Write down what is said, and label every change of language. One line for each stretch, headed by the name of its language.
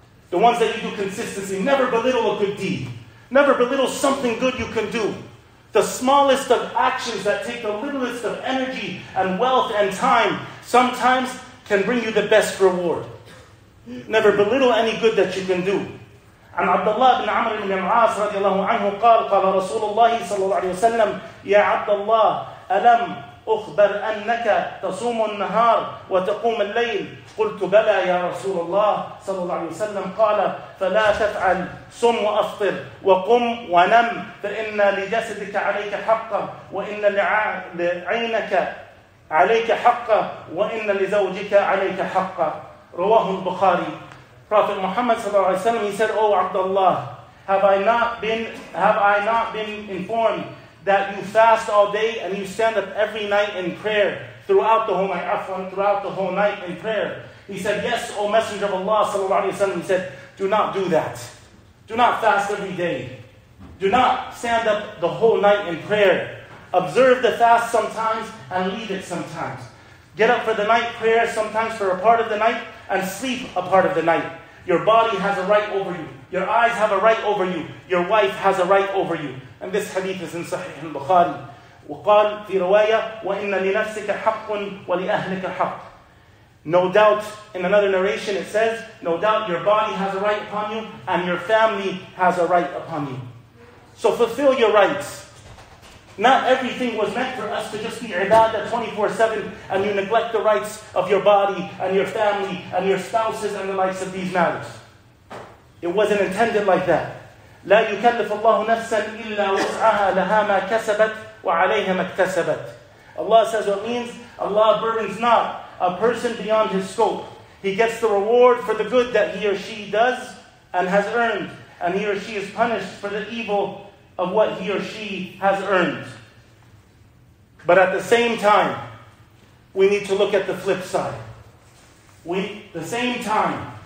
English: The ones that you do consistently, never belittle a good deed. Never belittle something good you can do. The smallest of actions that take the littlest of energy and wealth and time sometimes can bring you the best reward. Never belittle any good that you can do.
Arabic: عن عبد الله بن عمرو بن العاص رضي الله عنه قال قال رسول الله صلى الله عليه وسلم يا عبد الله ألم أخبر أنك تصوم النهار وتقوم الليل قلت بلى يا رسول الله صلى الله عليه وسلم قال فلا تفعل صم وأفطر وقم ونم فإن لجسدك عليك حقا وإن لعينك عليك حقا وإن لزوجك عليك حقا رواه البخاري.
English: Prophet Muhammad sallallahu alaihi wasallam, he said, O Abdullah, have I not been informed that you fast all day and you stand up every night in prayer throughout the whole night in prayer? He said, yes, O Messenger of Allah sallallahu alaihi wasallam. He said, do not do that. Do not fast every day. Do not stand up the whole night in prayer. Observe the fast sometimes and leave it sometimes. Get up for the night prayer sometimes for a part of the night and sleep a part of the night. Your body has a right over you. Your eyes have a right over you. Your wife has a right over you. And this hadith is in Sahih al-Bukhari.
Arabic: وقال في رواية وَإِنَّ لِنَفْسِكَ حَقٌ وَلِأَهْلِكَ حَقٌ.
English: No doubt, in another narration it says, no doubt your body has a right upon you and your family has a right upon you. So fulfill your rights. Not everything was meant for us to just be ibadah 24/7 and you neglect the rights of your body and your family and your spouses and the likes of these matters. It wasn't intended like that.
Arabic: لا يكلف الله نفسا إلا وسعها لها ما كسبت وعليها ما اكتسبت.
English: Allah says what means, Allah burdens not a person beyond his scope. He gets the reward for the good that he or she does and has earned, and he or she is punished for the evil of what he or she has earned. But at the same time, we need to look at the flip side. The same time,